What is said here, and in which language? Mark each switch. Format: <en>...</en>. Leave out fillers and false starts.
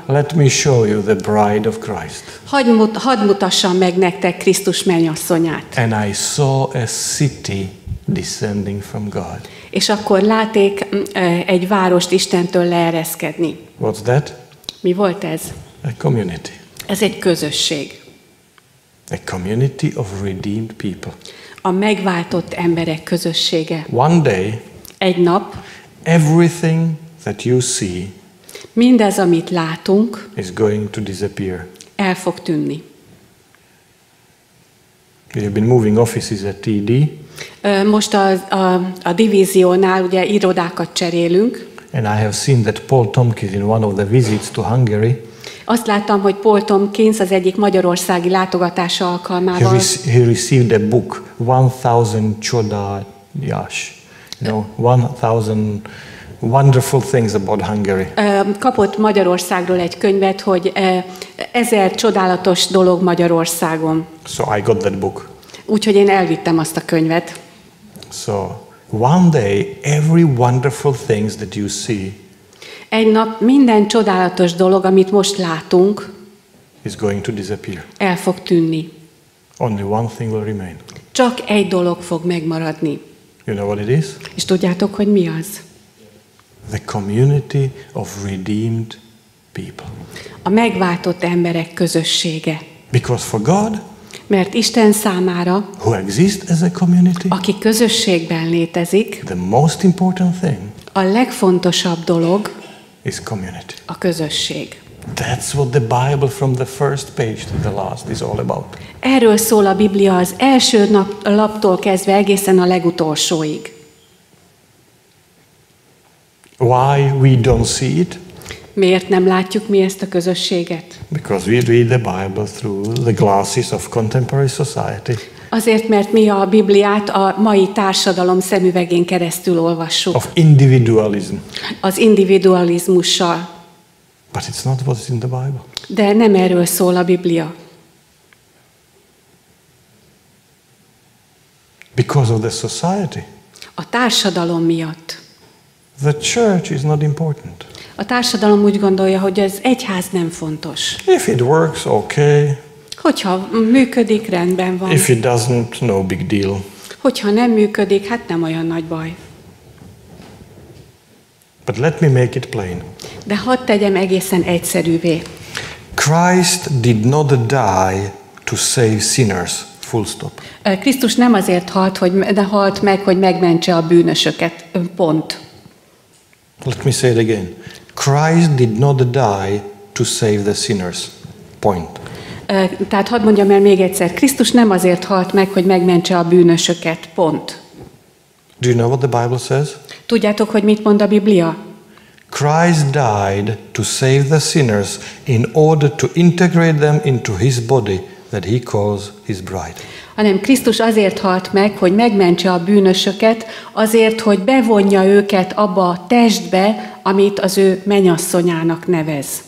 <en>Let me show you the bride of Christ.</en> <hu>Hadd mutassam meg nektek Krisztus mennyasszonyát.</hu> <en>And I saw a city descending from God.</en> <hu>És akkor láték egy várost Istentől leereszkedni.</hu> <en>What's that?</en> <hu>Mi volt ez?</hu> <en>A community.</en> <hu>Ez egy közösség.</hu> <en>A community of redeemed people.</en> <hu>A megváltott emberek közössége.</hu> <en>One day,</en> <hu>egy nap,</hu> <en>everything that you see,</en> <hu>mindez, amit látunk,</hu> <en>is going to disappear.</en> <hu>El fog tűnni.</hu> <en>We have been moving offices at TD.</en> <hu>Most a divíziónál ugye irodákat cserélünk.</hu> <en>And I have seen that Paul Tompkins in one of the visits to Hungary.</en> <hu>Azt láttam, hogy Paul Tompkins az egyik magyarországi látogatása alkalmával.</hu> <en>He received a book,</en> <hu>1000 csodás,</hu> <en>you know, 1000 wonderful things about Hungary.</en> <hu>Kapott Magyarországról egy könyvet, hogy 1000 csodálatos dolog Magyarországon.</hu> <en>So I got that book.</en> <hu>Úgyhogy én elvittem azt a könyvet.</hu> <en>So one day every wonderful things that you see.</en> <hu>Egy nap minden csodálatos dolog, amit most látunk,</hu> <en>is going to disappear.</en> <hu>El fog tűnni.</hu> <en>Only one thing will remain.</en> <hu>Csak egy dolog fog megmaradni.</hu> <en>You know what it is?</en> <hu>És tudjátok, hogy mi az?</hu> <en>The community of redeemed people.</en> <hu>A megváltott emberek közössége.</hu> <en>Because for God,</en> <hu>mert Isten számára,</hu> <en>who exists as a community,</en> <hu>aki közösségben létezik,</hu> <en>the most important thing,</en> <hu>a legfontosabb dolog,</hu> <en>is community.</en> <hu>A közösség.</hu> <en>That's what the Bible from the first page to the last is all about.</en> <hu>Erről szól a Biblia az első laptól kezdve egészen a legutolsóig.</hu> <en>Why we don't see it?</en> <hu>Miért nem látjuk mi ezt a közösséget?</hu> <en>Because we read the Bible through the glasses of contemporary society.</en> <hu>Azért, mert mi a Bibliát a mai társadalom szemüvegén keresztül olvassuk.</hu> <en>Of individualism.</en> <hu>Az individualizmussal.</hu> <en>But it's not what's in the Bible.</en> <hu>De nem erről szól a Biblia.</hu> <en>Because of the society.</en> <hu>A társadalom miatt.</hu> <en>The church is not important.</en> <hu>A társadalom úgy gondolja, hogy az egyház nem fontos.</hu> <en>If it works, okay.</en> <hu>Hogyha működik, rendben van.</hu> <en>If it doesn't, no big deal.</en> <hu>Hogyha nem működik, hát nem olyan nagy baj.</hu> <en>But let me make it plain.</en> <hu>De hadd tegyem egészen egyszerűvé.</hu> <en>Christ did not die to save sinners. Full stop.</en> <hu>Krisztus nem azért halt, hogy de halt meg, hogy megmentse a bűnösöket. Pont.</hu> <en>Let me say it again. Christ did not die to save the sinners. Point.</en> <hu>Tehát hadd mondjam el még egyszer, Krisztus nem azért halt meg, hogy megmentse a bűnösöket, pont.</hu> <en>Do you know what the Bible says?</en> <hu>Tudjátok, hogy mit mond a Biblia?</hu> <en>Christ died to save the sinners in order to integrate them into his body that he calls his bride.</en> <hu>Hanem Krisztus azért halt meg, hogy megmentse a bűnösöket, azért, hogy bevonja őket abba a testbe, amit az ő mennyasszonyának nevez.</hu>